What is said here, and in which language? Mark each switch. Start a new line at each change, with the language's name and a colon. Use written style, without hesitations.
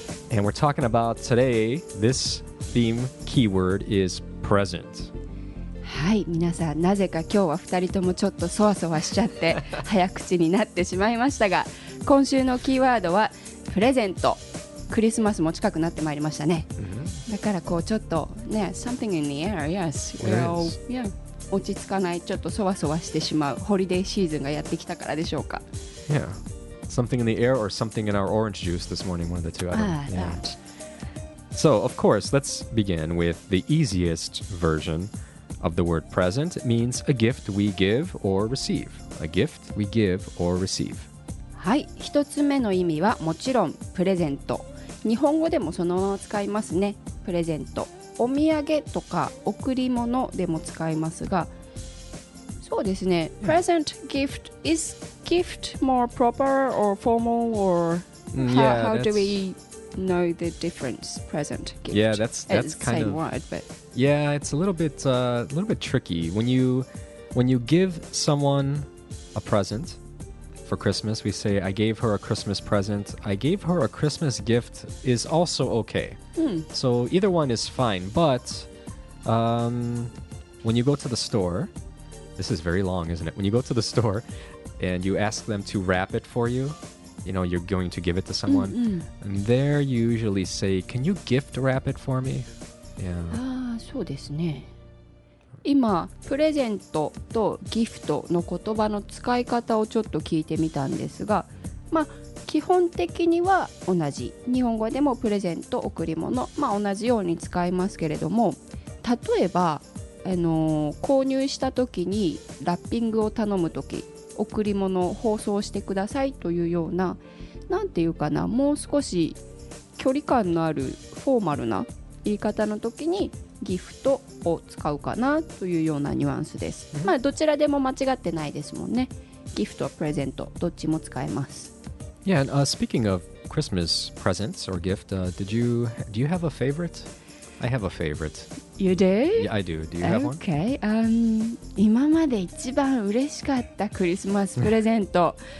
English: And we're talking about today, this theme keyword is present.
Japanese: はい、皆さん、なぜか今日は2人ともちょっとそわそわしちゃって早口になってしまいましたが、今週のキーワードはプレゼント。クリスマスも近くなってまいりましたね、mm-hmm. だからこうちょっとね、
English: something in the air, yes, yeah,
Japanese: 落ち着かない、ちょっとそわそわしてしまう、ホリデーシーズンがやってきたからでしょうか。
English: Yeah, something in the air or something in our orange juice this morning, one of the two, I don't know. That. So, of course, let's begin with the easiest version of the word present. It means a gift we give or receive. A gift we give or receive.
Japanese: はい、一つ目の意味はもちろんプレゼント。日本語でもそのまま使いますね。プレゼント、お土産とか贈り物でも使いますが、そうですね、yeah.
English: present gift is gift more proper or formal or how do we know the difference? Present gift, yeah, that's kind same of word, but yeah, it's a little bit tricky when you give someone a presentFor Christmas, we say, I gave her a Christmas present. I gave her a Christmas gift is also okay. Mm. So either one is fine. But when you go to the store, this is very long, isn't it? When you go to the store and you ask them to wrap it for you, you know, you're going to give it to someone. Mm-hmm. And there you usually say, can you gift wrap it for me?
Japanese: Yeah. そうですね。今プレゼントとギフトの言葉の使い方をちょっと聞いてみたんですが、まあ基本的には同じ、日本語でもプレゼント贈り物、まあ同じように使いますけれども、例えば購入した時にラッピングを頼む時、贈り物を包装してくださいというような、なんていうかな、もう少し距離感のあるフォーマルな言い方の時にギフトを使うかなというようなニュアンスです。まあどちらでも間違ってないですもんね。ギフト、プレゼント、どっちも使えます。
English: Yeah, and, speaking of Christmas presents or gift, do you have a favorite? I have a favorite. You do? Yeah, I do. Do you have one? Okay.
Japanese: 今まで一番嬉しかったクリスマスプレゼント。